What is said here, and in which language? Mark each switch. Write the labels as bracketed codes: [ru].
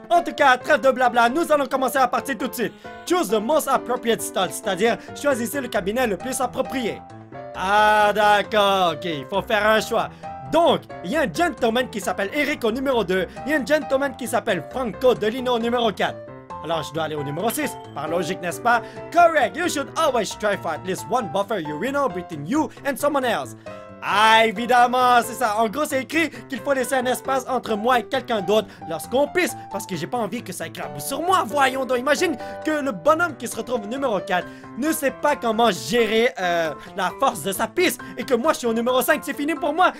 [fr] En tout cas, trêve de blabla, nous allons commencer à partir tout de suite. [en] Choose the most appropriate stall, [fr] c'est-à-dire choisissez le cabinet le plus approprié. Ah, d'accord, ok, il faut faire un choix. Donc, il y a un gentleman qui s'appelle Eric au numéro 2, il y a un gentleman qui s'appelle Franco Delino au numéro 4. Alors, je dois aller au numéro 6, par logique, n'est-ce pas? [en] Correct, you should always try for at least one buffer urinal between you and someone else. [fr] Ah, évidemment, c'est ça. En gros, c'est écrit qu'il faut laisser un espace entre moi et quelqu'un d'autre lorsqu'on pisse, parce que j'ai pas envie que ça grimpe sur moi, voyons donc. Imagine que le bonhomme qui se retrouve au numéro 4 ne sait pas comment gérer la force de sa pisse, et que moi, je suis au numéro 5, c'est fini pour moi.